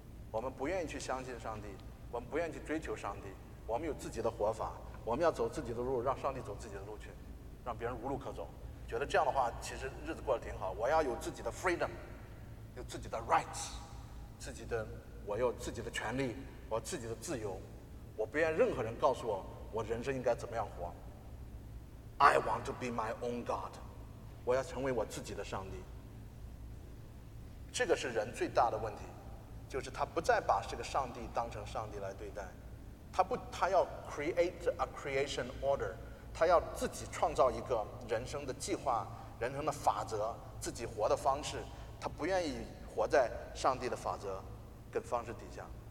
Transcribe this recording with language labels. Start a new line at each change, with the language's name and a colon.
Chinese: 我们不愿意去相信上帝，我们不愿意去追求上帝，我们有自己的活法，我们要走自己的路，让上帝走自己的路去，让别人无路可走，觉得这样的话其实日子过得挺好，我要有自己的 freedom， 有自己的 rights， 自己的，我有自己的权利，我自己的自由，我不愿任何人告诉我我人生应该怎么样活。
English: I want to be my own God，
Chinese: 我要成为我自己的上帝。这个是人最大的问题，就是他不再把这个上帝当成上帝来对待，他要
English: create a creation order，
Chinese: 他要自己创造一个人生的计划，人生的法则，自己活的方式，他不愿意活在上帝的法则跟方式底下。